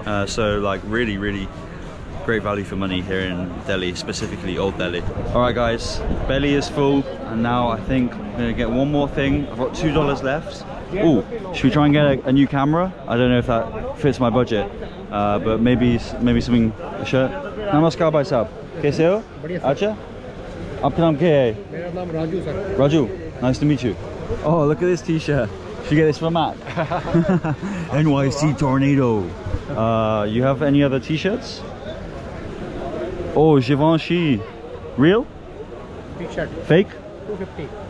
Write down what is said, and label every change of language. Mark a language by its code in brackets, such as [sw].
[en] So, like, really, really great value for money here in Delhi, specifically Old Delhi. All right, guys, belly is full. And now I think I'm going to get one more thing. I've got $2 left. Oh, should we try and get a new camera? I don't know if that fits my budget. But maybe something, a shirt. [hi] नमस्कार भाई साहब. कैसे हो? Acha? आपका नाम क्या है? Mera naam Raju sir. [en] Raju, nice to meet you. Oh, look at this t-shirt. Should you get this for Mac? NYC Tornado. You have any other t-shirts? Oh, Givenchy. Real? T-shirt. Fake? 250.